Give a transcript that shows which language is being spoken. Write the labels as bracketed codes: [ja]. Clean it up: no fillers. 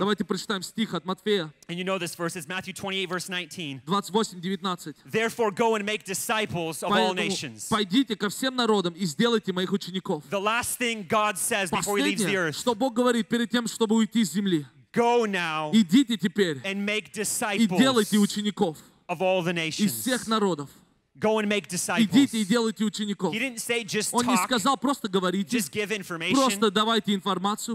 [ru] Давайте прочитаем стих от Матфея. [en] And you know this verse. It's Matthew 28, verse 19. 28:19. Therefore, go and make disciples of [ru] Поэтому, [en] all nations. [ru] Пойдите ко всем народам и сделайте моих учеников. [en] The last thing God says before he leaves the earth. [ru] Что Бог говорит перед тем, чтобы уйти с земли. [en] Go now [ru] Идите теперь [en] and make disciples of all the nations. [ru] Из всех народов. [en] Go and make disciples. [ru] Идите и делайте учеников. [en] He didn't say just talk. [ru] Он не сказал просто говорите. [en] Just give information. [ru] Просто давайте информацию.